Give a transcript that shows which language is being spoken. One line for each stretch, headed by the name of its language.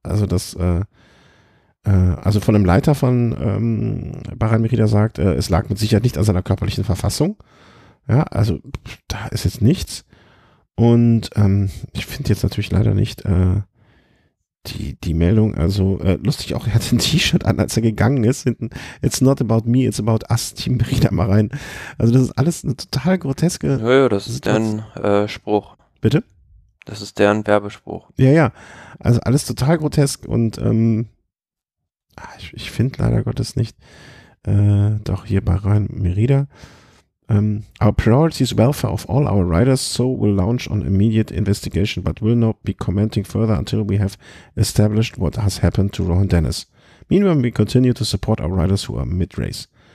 German: Also also von einem Leiter von Bahrain-Merida sagt, es lag mit Sicherheit nicht an seiner körperlichen Verfassung. Ja, also da ist jetzt nichts. Und ich finde jetzt natürlich leider nicht die Meldung. Also lustig auch, er hat ein T-Shirt an, als er gegangen ist. Hinten,
English: it's not about me, it's about us, Team Merida Bahrain.
German: Also das ist alles eine total groteske. Ja, ja, das ist deren Spruch. Bitte? Das ist deren Werbespruch. Ja, ja. Also alles total grotesk und ich finde leider Gottes nicht. Doch hier Bahrain-Merida.
English: Our priority is welfare of all our riders, so we'll launch an immediate investigation, but will not be commenting further until we have established what has happened to Rohan Dennis. Meanwhile, we continue to support our riders who are mid-race.